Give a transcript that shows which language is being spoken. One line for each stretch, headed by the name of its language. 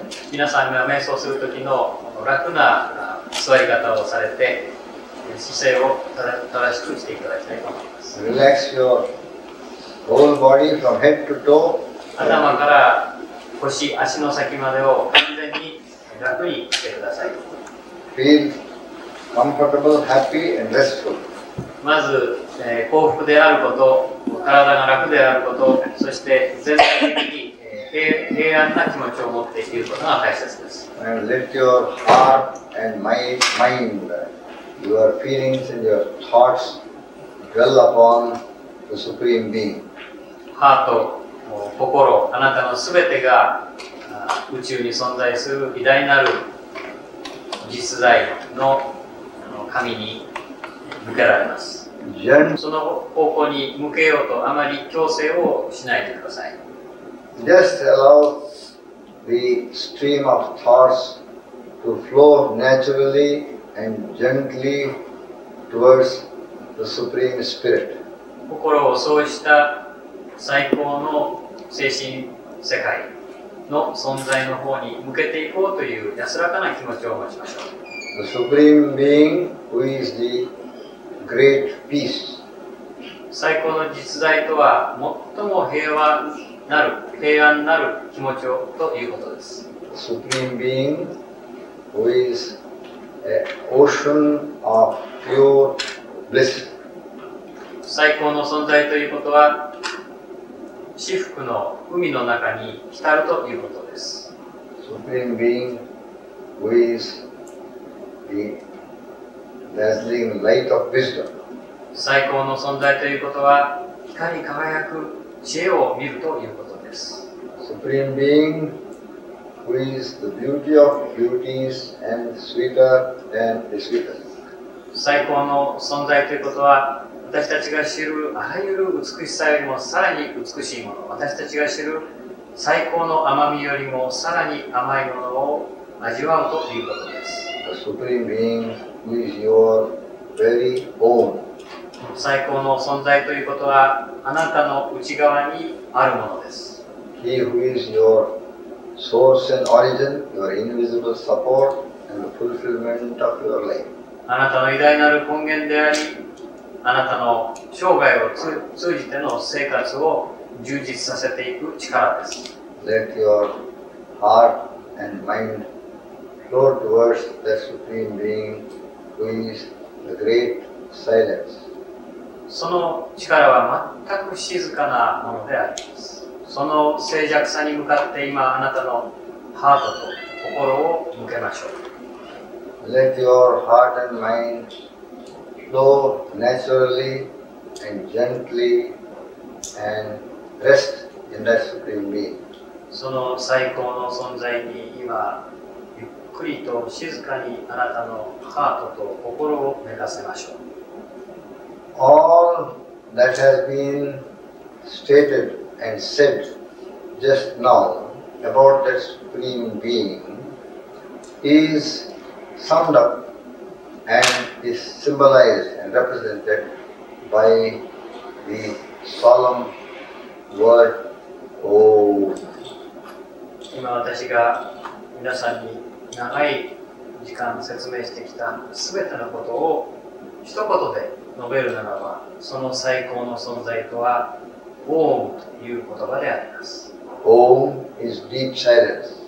Japanese: 皆さんが瞑想するとき の楽な座り方をされて姿勢を正しくしていただきたいと思います。
English: Relax your whole body from head to toe.
Japanese: 頭から腰、足の先までを完全に楽にしてください。
English: Feel comfortable, happy and restful.
Japanese: まず、幸福であること、体が楽であること、そして全体的に平安な気持ちを持っていることが大切です。
English: And let your heart and mind. Your feelings and your thoughts dwell upon the Supreme Being.
Japanese: ハート、心、あなたのすべてが宇宙に存在する偉大なる実在の神に向けられます。その方向に向けようとあまり強制をしないでください。
English: Just allow the stream of thoughts to flow naturally. And gently towards the Supreme Spirit.
Japanese: 心をそうした最高の精神世界の存在の方に向けていこうという安らかな気持ちを持ちましょう。
English: The Supreme Being, who is the great peace.
Japanese: 最高の実在とは最も平和なる、平安なる気持ちをということです。
English: The Supreme Being, who is An ocean of pure bliss.
Japanese: 最高の存在ということは、至福の海の中に浸るということです。
English: Supreme Being, who is the dazzling light of wisdom. 最高の存在ということは、光り輝く知恵を見るということです。 Supreme Being. Who is the beauty of beauties and sweeter than the sweetest?
Japanese: 最高の存在ということは、私たちが知るあらゆる美しさよりもさらに美しいもの、私たちが知る最高の甘みよりもさらに甘いものを味わうということです。
English: The Supreme Being who is your very own.
Japanese: 最高の存在ということは、あなたの内側にあるものです。
English: He who is yourSource and origin, your invisible support and the fulfillment of your life.
Japanese: あなたの偉大なる根源であり、あなたの生涯を通じての生活を充実させていく力です。
English: Let your heart and mind flow towards the Supreme Being who is the great silence.
Japanese: その力は全く静かなものであります。その静寂さに向かって今あなたのハートと心を向けましょう。
English: Let your heart and mind flow naturally and gently and rest in that supreme being.
Japanese: その最高の存在に今ゆっくりと静かにあなたのハートと心を寝かせましょう。
English: All that has been stated. And said just now about that supreme being is summed up and is symbolized and represented by the solemn word Om.
Japanese: 今私が皆さんに長い時間説明してきた全てのことを一言で述べるならば、その最高の存在とはオームという言葉であります。
English: オーム is deep silence.